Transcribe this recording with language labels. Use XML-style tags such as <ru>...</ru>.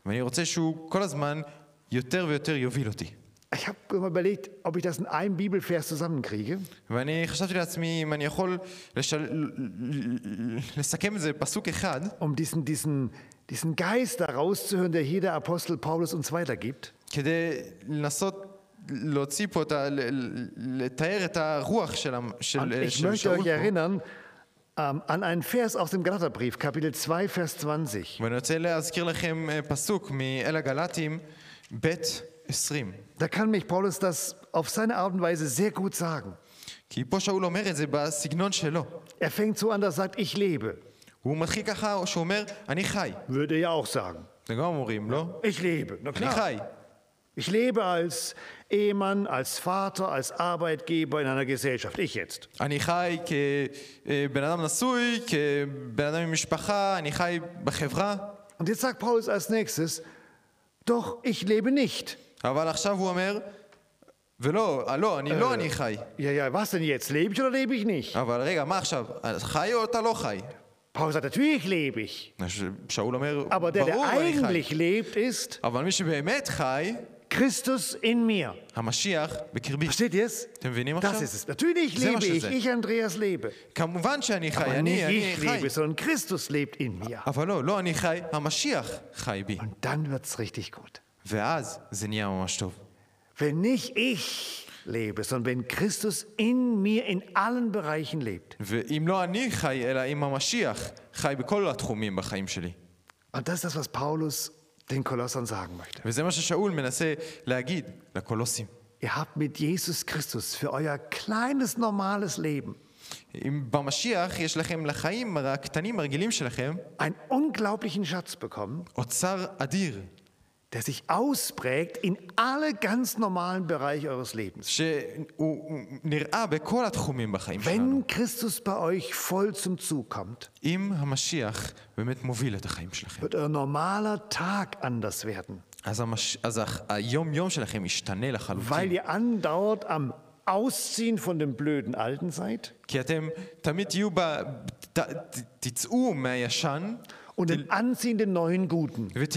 <he>ואני רוצה שהוא כל הזמן יותר ויותר יוביל אותי.</he> <de>Ich habe immer überlegt, ob ich das in einem Bibelvers zusammenkriege.</de> <he>ואני חשבתי לעצמי, אם אני יכול לסכם את זה פסוק אחד.</he> <de>Um diesen Geist da rauszuhören, der hier der Apostel Paulus uns weitergibt.</de> <he>כדי לנסות להוציא פה, לתאר את הרוח של שאול פה.</he> <de>Ich möchte euch erinnern an einen Vers aus dem Galaterbrief, Kapitel 2, Vers 20.</de> <he>ואני רוצה להזכיר לכם פסוק מאל הגלטים, בית 20.</he> <de>Da kann mich Paulus das auf seine Art und Weise sehr gut sagen.</de> <he>כי פה שאול אומר את זה בסגנון שלו.</he> <de>Er fängt so an, er sagt, ich lebe.</de> <he>הוא מתחיל ככה, שהוא אומר, אני חי.</he> <de>Würde er ja auch sagen.</de> <he>זה גם אומרים, לא?</he> <de>Ich lebe, na klar.</de> <he>אני חי.</he> <de>Ich lebe als Ehemann, als Vater, als Arbeitgeber in einer Gesellschaft. Ich jetzt.</de> <he>אני חי כבן אדם נשוי, כבן אדם עם משפחה, אני חי בחברה.</he> <de>Und jetzt sagt Paulus als nächstes, doch ich lebe nicht.</de> <he>אבל עכשיו הוא אומר, ולא, לא, אני לא, אני חי.</he> <de>Ja, was denn jetzt? Lebe ich oder lebe ich nicht?</de> <he>אבל רגע, מה עכשיו? חי או אתה לא חי?</he> <de>Paulus sagt, natürlich lebe ich.</de> <he>שאול אומר,</he> <de>aber der eigentlich lebt, ist</de> <he>אבל מי שבאמת חי,</he> <de>Christus in mir.</de> <he>המשיח בקרבי.</he> <de>Versteht ihr es?</de> <he>אתם מבינים עכשיו?</he> <de>Das ist es. Natürlich lebe ich. Ich, Andreas, lebe.</de> <he>כמובן שאני חי. אני חי.</he> <de>Aber nicht ich lebe, sondern Christus lebt in mir.</de> <he>אבל לא, לא אני חי. המשיח חי בי.</he> <de>Und dann wird's richtig gut.</de> <he>ואז זה נהיה ממש טוב.</he> <de>Wenn nicht ich lebe, sondern wenn Christus in mir in allen Bereichen lebt.</de> <he>ואם לא אני חי, אלא אם המשיח חי בכל התחומים בחיים שלי.</he> <de>Und das ist das, was Paulus den Kolossern sagen möchte.</de> <he>וזה מה ששאול מנסה להגיד לקולוסים.</he> <de>Ihr habt mit Jesus Christus für euer kleines normales Leben.</de> <he>אם במשיח יש לכם לחיים הקטנים הרגילים שלכם.</he> <de>Einen unglaublichen Schatz bekommen.</de> <he>אוצר אדיר.</he> <de>Der sich ausprägt in alle ganz normalen Bereiche eures Lebens.</de> <he>נראה בכל התחומים בחיים שלנו.</he> <de>Wenn Christus bei euch voll zum Zug kommt,</de> <he>אם המשיח באמת מוביל את החיים שלכם,</he> <de>wird euer normaler Tag anders werden.</de> <he>אז היום-יום שלכם ישתנה לחלוטין.</he> <de>Weil ihr andauert am Ausziehen von dem blöden Alten seid.</de> <he>כי אתם תמיד יהיו ב... תצאו מהישן.</he> <de>Und dem anziehenden neuen Guten.</de>